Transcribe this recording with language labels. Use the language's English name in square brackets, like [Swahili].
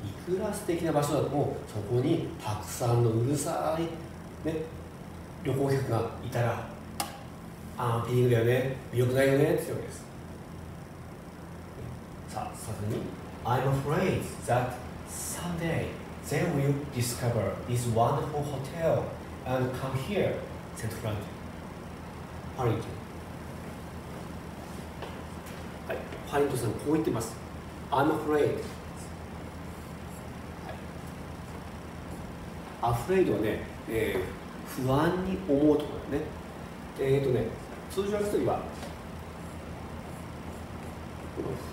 [Japanese] ね、いくら素敵な場所だともそこにたくさんのうるさい、ね、旅行客がいたら、アンピングだよね、魅力ないよねって言うわけです。 [English] I'm afraid that someday they will discover this wonderful hotel and come here, said Frank. [Japanese] ファリント。はい、ファリントさんこう言ってます。 [English] I'm afraid。 [Japanese] はい、afraid はね、不安に思うところだよね。通常の人には、この不